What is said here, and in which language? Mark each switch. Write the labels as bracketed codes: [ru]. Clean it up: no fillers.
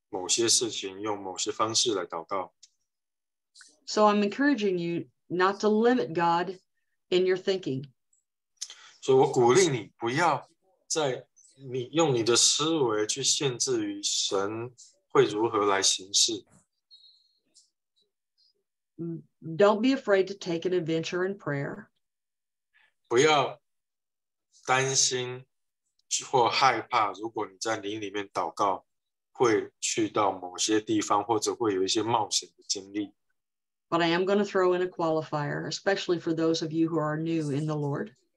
[zh] 神在灵里面引导我们为着某些事情用某些方式来祷告。 [en] So I'm encouraging you not to limit God in your thinking. [zh] 所以我鼓励你不要在你用你的思维去限制于神会如何来行事。 [en] Don't be afraid to take an adventure in prayer. [zh] 不要担心或害怕，如果你在灵里面祷告，会去到某些地方，或者会有一些冒险的经历。 [en] But I am going to throw in a qualifier, especially for those of you who are new in the Lord.